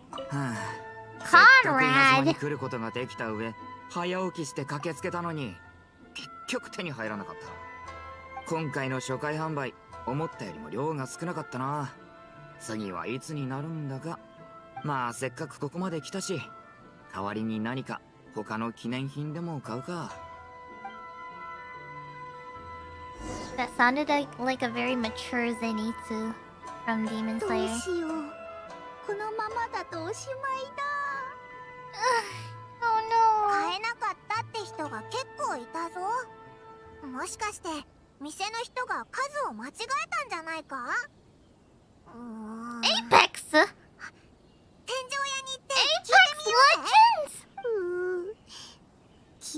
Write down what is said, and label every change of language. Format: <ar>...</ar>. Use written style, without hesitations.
<ja>はぁ、せっかく稲妻に来ることができた上、早起きして駆けつけたのに結局手に入らなかった。今回の初回販売、思ったよりも量が少なかったな。次はいつになるんだか。まあせっかくここまで来たし、代わりに何か他の記念品でも買うか。</ja> <en>That sounded like a very mature Zenitsu from Demon Slayer.</en> <ja>どうしよう、このままだとおしまいだ。</ja> <en>Oh, no.</en> <ja>買えなかったって人が結構いたぞ。もしかして店の人が数を間違えたんじゃないか。</ja> <en>エイペックスエイペックスレジェンズ。</en>